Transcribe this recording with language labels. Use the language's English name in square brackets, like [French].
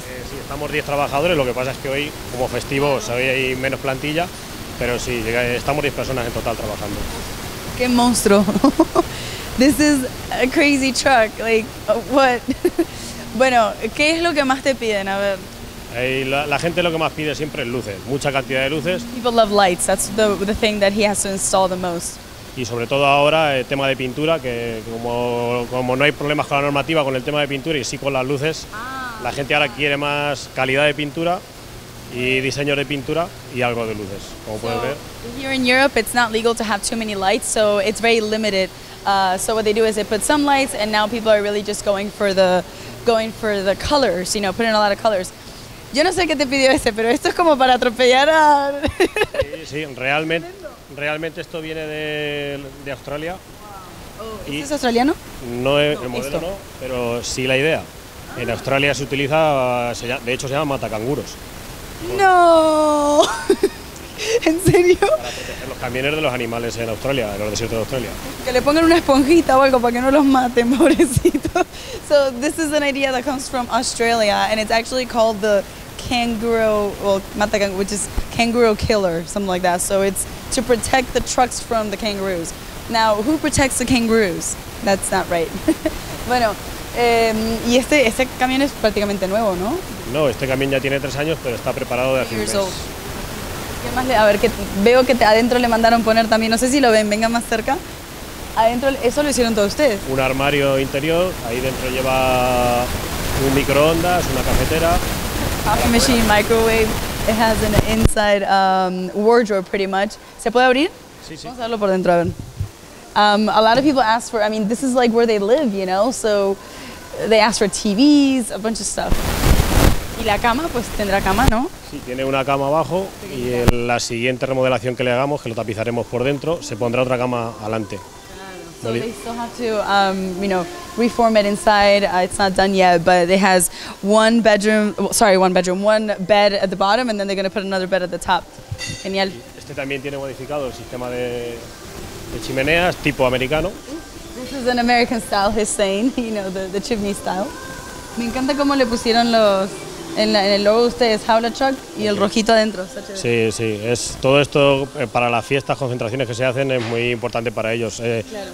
[Spanish] Sí, estamos 10 trabajadores, lo que pasa es que hoy, como festivo, hoy hay menos plantilla, pero sí, estamos 10 personas en total trabajando. ¡Qué monstruo! [English] This is a crazy truck, like, what? [Spanish] Bueno, ¿qué es lo que más te piden? A ver. La gente lo que más pide siempre es luces, mucha cantidad de luces. [English] People love lights, that's the thing that he has to install the most. [Spanish] Y sobre todo ahora el tema de pintura, que como no hay problemas con la normativa con el tema de pintura y sí con las luces, la gente ahora quiere más calidad de pintura y diseño de pintura y algo de luces, como puedes ver. [English] Here in Europe it's not legal to have too many lights, so it's very limited. So what they do is they put some lights and now people are really just going for the colors, you know, putting a lot of colors. [Spanish] Yo no sé qué te pidió ese, pero esto es como para atropellar a... Sí, realmente. Realmente esto viene de Australia. Wow. Oh, ¿este es australiano? No, el modelo no, pero sí la idea. Ah. En Australia se utiliza, de hecho se llama matacanguros. ¡No! ¿En serio? Para proteger los camiones de los animales en Australia, en los desiertos de Australia. Que le pongan una esponjita o algo para que no los maten, pobrecito. [English] So this is an idea that comes from Australia and it's actually called the kangaroo, well, matacanguro, which is kangaroo killer, something like that. So it's to protect the trucks from the kangaroos. Now, who protects the kangaroos? That's not right. [Spanish] Bueno, y este camión es prácticamente nuevo, ¿no? No, este camión ya tiene 3 años, pero está preparado de hace un mes. ¿Qué más a ver, que veo que adentro le mandaron poner también, no sé si lo ven, vengan más cerca. Adentro, ¿eso lo hicieron todos ustedes? Un armario interior, ahí dentro lleva un microondas, una cafetera. [English] Coffee machine, microwave. It has an inside wardrobe, pretty much. [Spanish] ¿Se puede abrir? Sí, sí. Vamos a verlo por dentro, a ver. [English] A lot of people ask for, I mean, this is like where they live, you know? So they ask for TVs, a bunch of stuff. [Spanish] Y la cama, pues tendrá cama, ¿no? Sí, tiene una cama abajo y en la siguiente remodelación que le hagamos, que lo tapizaremos por dentro, se pondrá otra cama adelante. [English] So they still have to, reform it inside. It's not done yet, but it has one bed at the bottom, and then they're going to put another bed at the top. [Spanish] Genial. Este también tiene modificado el sistema de chimeneas tipo americano. [English] This is an American style, he's saying. You know, the chimney style. [Spanish] Me encanta cómo le pusieron los en el logo de ustedes, Howler Truck, y el rojito adentro. Sí, sí, es todo esto para las fiestas, concentraciones que se hacen, es muy importante para ellos. Claro.